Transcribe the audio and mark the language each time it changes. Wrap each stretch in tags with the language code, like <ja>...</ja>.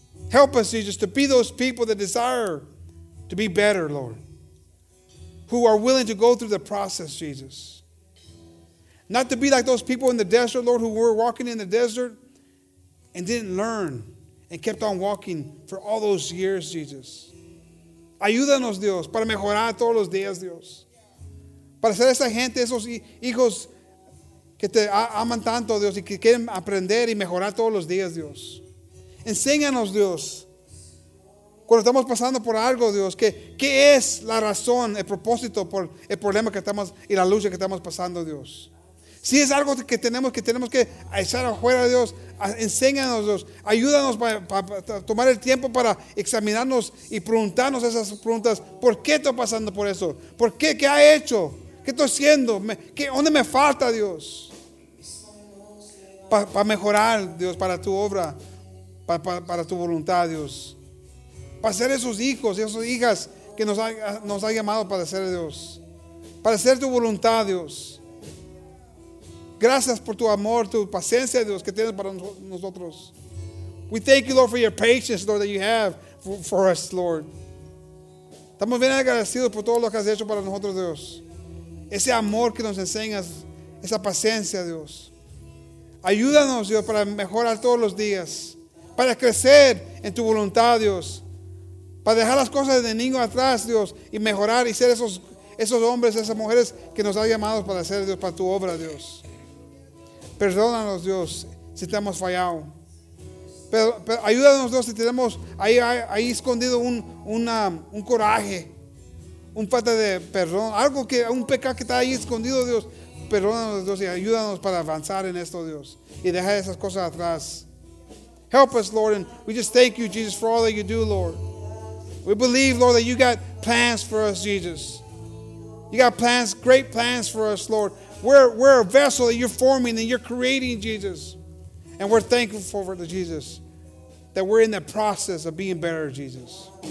<en>Help us, Jesus, to be those people that desire to be better, Lord. Who are willing to go through the process, Jesus. Not to be like those people in the desert, Lord, who were walking in the desert and didn't learn and kept on walking for all those years, Jesus.</en> <es>Ayúdanos, Dios, para mejorar todos los días, Dios. Para ser esa gente, esos hijos que te aman tanto, Dios, y que quieren aprender y mejorar todos los días, Dios. Enséñanos, Dios, cuando estamos pasando por algo, Dios, ¿qué es la razón, el propósito por el problema que estamos y la lucha que estamos pasando, Dios? Si es algo que tenemos que echar afuera, Dios, enséñanos, Dios. Ayúdanos para tomar el tiempo para examinarnos y preguntarnos esas preguntas. ¿Por qué estoy pasando por eso? ¿Por qué? ¿Qué ha hecho? ¿Qué estoy haciendo? ¿Dónde me falta, Dios? Para mejorar, Dios, para tu obra, para tu voluntad, Dios. Para ser esos hijos y esas hijas que nos ha llamado para ser, Dios. Para ser tu voluntad, Dios. Gracias por tu amor, tu paciencia, Dios, que tienes para nosotros.</es> <en>We thank you, Lord, for your patience, Lord, that you have for us, Lord.</en> <es>Estamos bien agradecidos por todo lo que has hecho para nosotros, Dios. Ese amor que nos enseñas, esa paciencia, Dios. Ayúdanos, Dios, para mejorar todos los días. Para crecer en tu voluntad, Dios. Para dejar las cosas de niño atrás, Dios, y mejorar y ser esos hombres, esas mujeres que nos has llamado para hacer, Dios, para tu obra, Dios. Perdónanos, Dios, si te hemos fallado. Pero ayúdanos, Dios, si tenemos ahí escondido un coraje, un falta de perdón, algo que un pecado que está ahí escondido, Dios. Perdónanos, Dios, y ayúdanos para avanzar en esto, Dios, y dejar esas cosas atrás.</es> <en>Help us, Lord, and we just thank you, Jesus, for all that you do, Lord. We believe, Lord, that you got plans for us, Jesus. You got plans, great plans for us, Lord. We're a vessel that you're forming and you're creating, Jesus. And we're thankful for the Jesus that we're in the process of being better, Jesus.</en>